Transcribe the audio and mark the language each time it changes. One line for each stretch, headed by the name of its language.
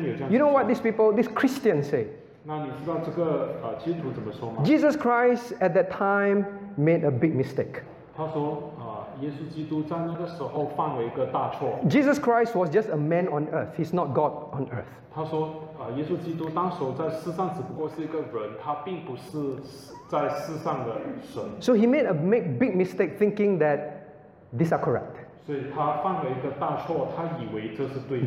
English: You know what these people, these Christians say?
Chinese: 那你知道这个基督徒怎么说吗?
English: Jesus Christ at that time made a big mistake.
Chinese: 他说耶稣基督在那个时候犯了一个大错。
English: Jesus Christ was just a man on earth. He's not God on earth.
Chinese: 他说耶稣基督当时在世上只不过是一个人，他并不是在世上的神。
English: So he made a big mistake thinking that these are correct.
Chinese: 所以他犯了一个大错，他以为这是对的。